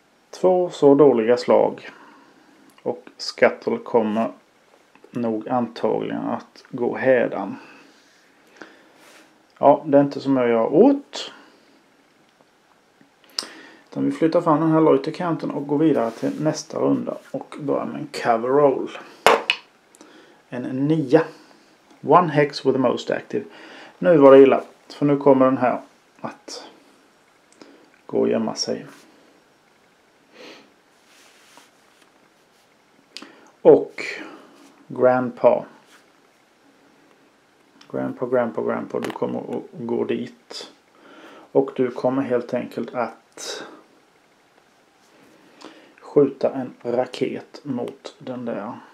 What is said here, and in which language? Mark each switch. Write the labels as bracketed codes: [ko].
[sv] Två så dåliga slag. Och Scuttle kommer nog antagligen att gå hädan. Ja, det är inte som jag gör åt. Utan vi flyttar fram den här lojterkanten och går vidare till nästa runda. Och börjar med en cover roll. En nia. [en] One hex with the most active. [sv] Nu var det illa. För nu kommer den här att gå och gömma sig. Och grandpa. Grandpa. Du kommer att gå dit. Och du kommer helt enkelt att skjuta en raket mot den där.